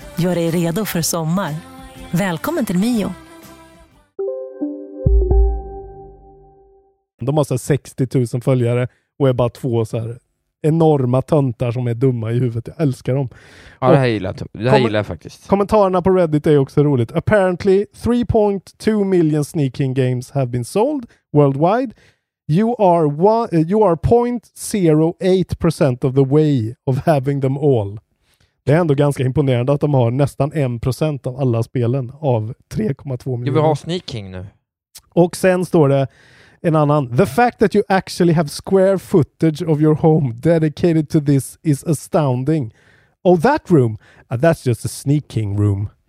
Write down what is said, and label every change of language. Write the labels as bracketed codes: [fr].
[sv] Gör dig redo för sommar. Välkommen till Mio. De har så 60 000 följare och är bara två så här enorma töntar som är dumma i huvudet. Jag älskar dem. Ja, det här gillar jag, gillar jag faktiskt. Kommentarerna på Reddit är också roligt. [en] Apparently 3.2 million sneaking games have been sold worldwide. You are 0.08% of the way of having them all. [sv] Det är ändå ganska imponerande att de har nästan 1% av alla spelen av 3,2 miljoner. Vi har sneaking nu. Och sen står det en annan. [en] The fact that you actually have square footage of your home dedicated to this is astounding. Oh, that room? That's just a sneaking room.